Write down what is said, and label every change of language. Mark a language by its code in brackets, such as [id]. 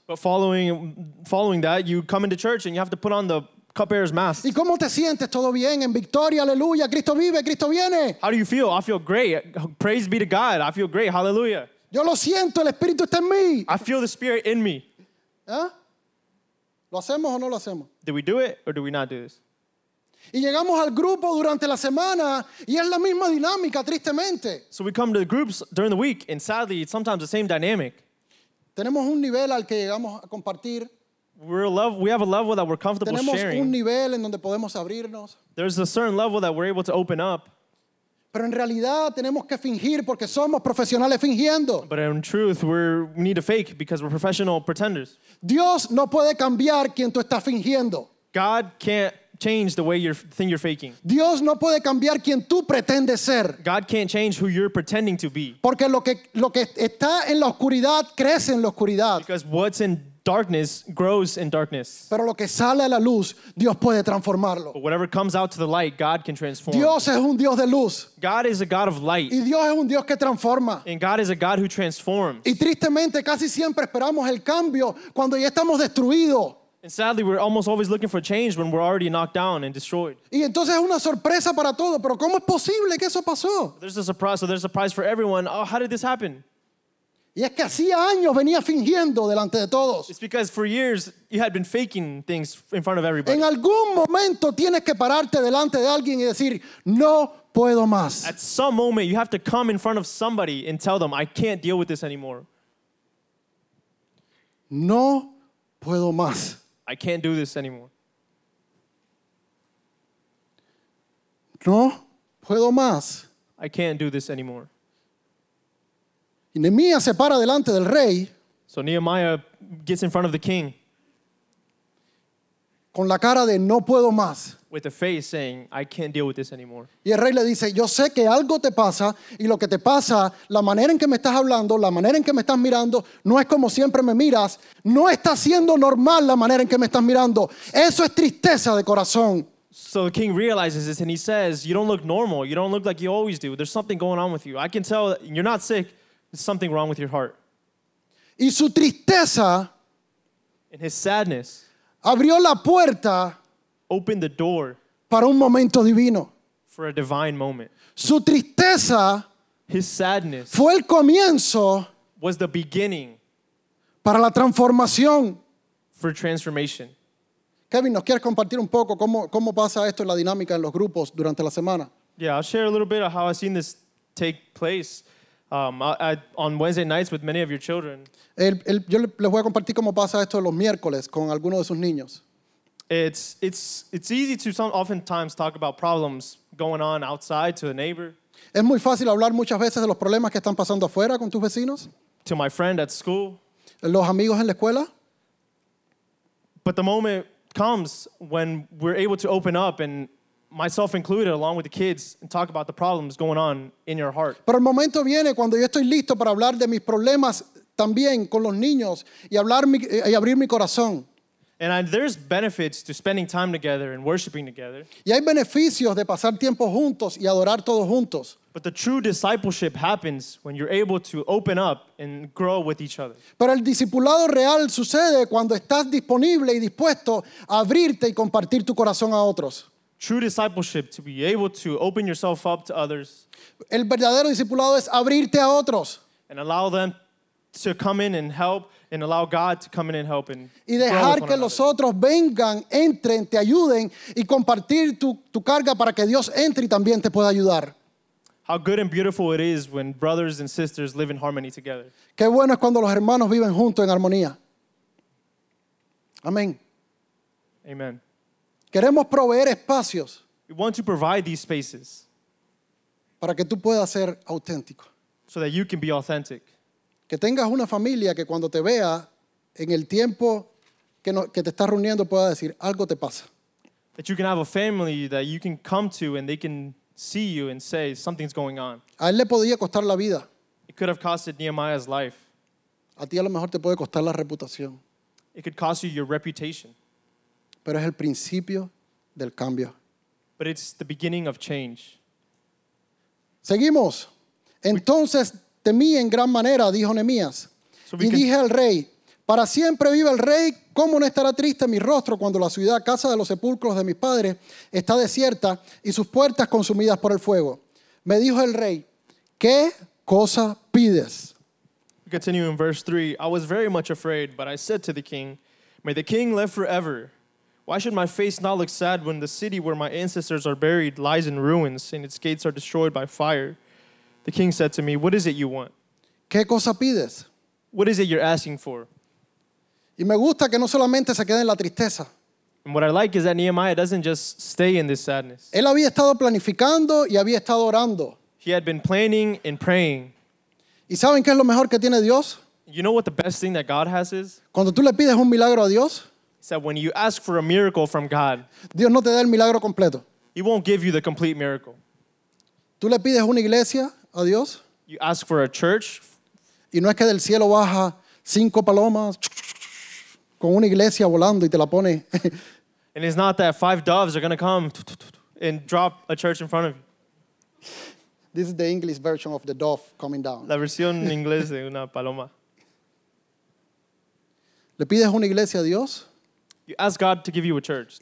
[en] But following that, you come into church and you have to put on the cupbearer's mask. [es] ¿Y cómo te sientes? Todo bien, en victoria, aleluya, Cristo vive, Cristo viene. [en] How do you feel? I feel great. Praise be to God. I feel great. Hallelujah. [es] Yo lo siento, el Espíritu está en mí. [en] I feel the Spirit in me. [es] ¿Eh? ¿Lo hacemos o no lo hacemos? [en] Do we do it or do we not do this? [es] Y llegamos al grupo durante la semana y es la misma dinámica, tristemente. [en] So we come to the groups during the week and sadly it's sometimes the same dynamic. [es] Tenemos un nivel al que llegamos a compartir. [en] We have a level that we're comfortable sharing. [es] Tenemos un nivel en donde podemos abrirnos. [en] There's a certain level that we're able to open up. [es] Pero en realidad tenemos que fingir porque somos profesionales fingiendo. [en] But in truth, we need to fake because we're professional pretenders. [es] Dios no puede cambiar quien tú estás fingiendo. [en] God can't change the way you're faking. [es] Dios no puede cambiar quien tú pretendes ser. [en] God can't change who you're pretending to be. [es] Porque lo que está en la oscuridad crece en la oscuridad. [en] Because what's in darkness grows in darkness. [es] Pero lo que sale a la luz, Dios puede transformarlo. [en] But whatever comes out to the light, God can transform. [es] Dios es un Dios de luz. [en] God is a God of light. [es] Y Dios es un Dios que transforma. [en] And God is a God who transforms. [es] Y tristemente casi siempre esperamos el cambio cuando ya estamos destruidos. [en] And sadly, we're almost always looking for change when we're already knocked down and destroyed. [es] Y entonces es una sorpresa para todos, pero ¿cómo es posible que eso pasó? [en] There's a surprise for everyone. Oh, how did this happen? [es] Y es que hacía años venía fingiendo delante de todos. [en] It's because for years you had been faking things in front of everybody. [es] En algún momento tienes que pararte delante de alguien y decir, no puedo más. [en] At some moment, you have to come in front of somebody and tell them, I can't deal with this anymore. [es] No puedo más. [en] I can't do this anymore. [es] No puedo más. [en] I can't do this anymore. [es] Y Nehemiah se para delante del rey. [en] So Nehemiah gets in front of the king. [es] Con la cara de no puedo más. [en] With a face saying, I can't deal with this anymore. [es] Y el rey le dice, yo sé que algo te pasa, y lo que te pasa, la manera en que me estás hablando, la manera en que me estás mirando, no es como siempre me miras, no está siendo normal la manera en que me estás mirando. Eso es tristeza de corazón. [en] So the king realizes this and he says, you don't look normal, you don't look like you always do. There's something going on with you. I can tell that you're not sick, there's something wrong with your heart. [es] Y su tristeza, [en] and his sadness, [es] abrió la puerta, [en] opened the door, [es] para un momento divino, [en] for a divine moment. [es] Su tristeza, [en] his sadness, [es] fue el comienzo, [en] was the beginning, [es] para la transformación, [en] for transformation. [es] Kevin, ¿nos quieres compartir un poco cómo pasa esto en la dinámica en los grupos durante la semana? [en] Yeah, I'll share a little bit of how I've seen this take place on Wednesday nights with many of your children. [es] Yo les voy a compartir cómo pasa esto los miércoles con algunos de sus niños. [en] It's easy to oftentimes talk about problems going on outside to a neighbor. [es] Es muy fácil hablar muchas veces de los problemas que están pasando afuera con tus vecinos. [en] To my friend at school. [es] Los amigos en la escuela. [en] But the moment comes when we're able to open up and myself included, along with the kids, and talk about the problems going on in your heart. [es] Pero el momento viene cuando yo estoy listo para hablar de mis problemas también con los niños y abrir mi corazón. [en] And there's benefits to spending time together and worshiping together. [es] Y hay beneficios de pasar tiempo juntos y adorar todos juntos. [en] But the true discipleship happens when you're able to open up and grow with each other. [es] Pero el discipulado real sucede cuando estás disponible y dispuesto a abrirte y compartir tu corazón a otros. [en] True discipleship, to be able to open yourself up to others. [es] El verdadero discipulado es abrirte a otros. [en] And allow them to come in and help, and allow God to come in and help. And [es] y dejar que [en] another. [es] Los otros vengan, entren, te ayuden, y compartir tu carga para que Dios entre y también te pueda ayudar. [en] How good and beautiful it is when brothers and sisters live in harmony together. [es] Qué bueno es cuando los hermanos viven juntos en armonía. Amén. [en] Amen. [es] Queremos proveer espacios. [en] We want to provide these spaces. [es] Para que tú puedas ser auténtico. [en] So that you can be authentic. [es] Que tengas una familia que cuando te vea en el tiempo que, no, que te estás reuniendo pueda decir algo te pasa. [en] That you can have a family that you can come to and they can see you and say something's going on. [es] A él le podía costar la vida. [en] It could have costed Nehemiah's life. [es] A ti a lo mejor te puede costar la reputación. [en] It could cost you your reputation. [es] Pero es el principio del cambio. [en] But it's the beginning of change. [es] Seguimos. Entonces temí en gran manera, dijo Nehemías. Y dije al rey, para siempre vive el rey, ¿cómo no estará triste mi rostro cuando la ciudad, casa de los sepulcros de mis padres, está desierta y sus puertas consumidas por el fuego? Me dijo el rey, ¿qué cosa pides? [en] We continue in verse 3. I was very much afraid, but I said to the king, may the king live forever. Why should my face not look sad when the city where my ancestors are buried lies in ruins and its gates are destroyed by fire? The king said to me, what is it you want? [es] ¿Qué cosa pides? [en] What is it you're asking for? [es] Y me gusta que no solamente se quede en la tristeza. [en] And what I like is that Nehemiah doesn't just stay in this sadness. [es] Él había estado planificando y había estado orando. [en] He had been planning and praying. [es] ¿Y saben qué es lo mejor que tiene Dios? [en] You know what the best thing that God has is? [es] Cuando tú le pides un milagro a Dios. [en] So when you ask for a miracle from God. [es] Dios no te da el milagro completo. [en] He won't give you the complete miracle. [es] Tú le pides una iglesia a Dios. [en] You ask for a church. [es] Y no es que del cielo baja cinco palomas con una iglesia volando y te la pone. [en] And it's not that five doves are going to come and drop a church in front of you. This is the English version of the dove coming down. [es] La versión en inglés de una paloma. Le pides una iglesia a Dios. [en] You ask God to give you a church.